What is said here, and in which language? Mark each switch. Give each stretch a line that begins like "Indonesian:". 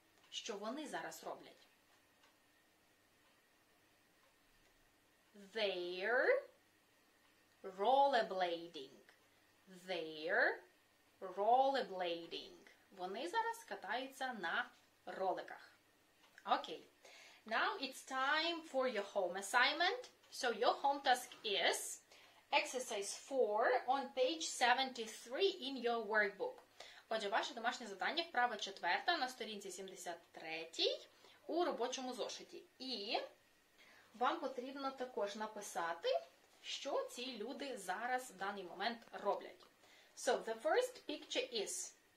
Ukrainian: Що вони зараз роблять?
English: They're rollerblading. They're rollerblading.
Ukrainian: Вони зараз катаються на роликах.
English: Okay, now it's time for your home assignment. So your home task is exercise 4 on page 73 in your workbook.
Ukrainian: Отже, ваше домашнє завдання вправа 4 на сторінці 73 у робочому зошиті. І вам потрібно також написати, що ці люди зараз в даний момент роблять.
English: So the first picture is,